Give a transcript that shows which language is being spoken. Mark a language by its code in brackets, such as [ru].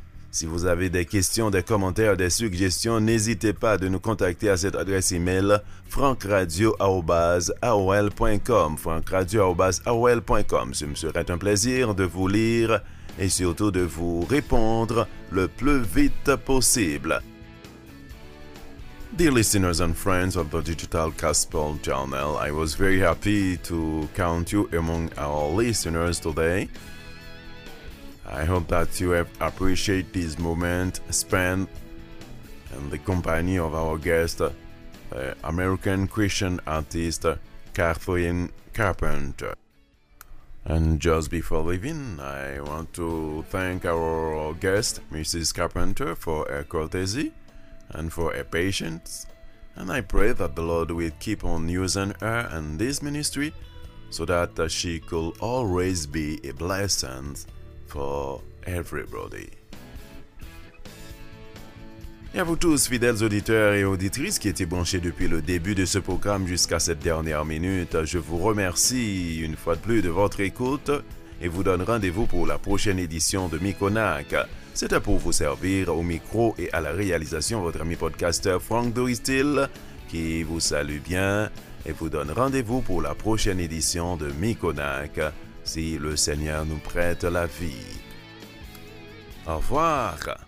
[fr] Si vous avez des questions, des commentaires, des suggestions, n'hésitez pas de nous contacter à cette adresse email francradio@aol.com. francradio@aol.com. Ce me serait un plaisir de vous lire et surtout de vous répondre le plus vite possible. [en] Dear listeners and friends of the Digital Gospel Journal, I was very happy to count you among our listeners today. I hope that you have appreciated this moment spent in the company of our guest, American Christian artist Kathleen Carpenter. And just before leaving, I want to thank our guest, Mrs. Carpenter, for her courtesy and for her patience. And I pray that the Lord will keep on using her and this ministry so that she could always be a blessing for everybody. [fr] Et à vous tous, fidèles auditeurs et auditrices qui étaient branchés depuis le début de ce programme jusqu'à cette dernière minute, je vous remercie une fois de plus de votre écoute et vous donne rendez-vous pour la prochaine édition de Mikonak. C'était pour vous servir au micro et à la réalisation votre ami podcasteur Franck Doristil qui vous salue bien et vous donne rendez-vous pour la prochaine édition de Mikonak si le Seigneur nous prête la vie. Au revoir!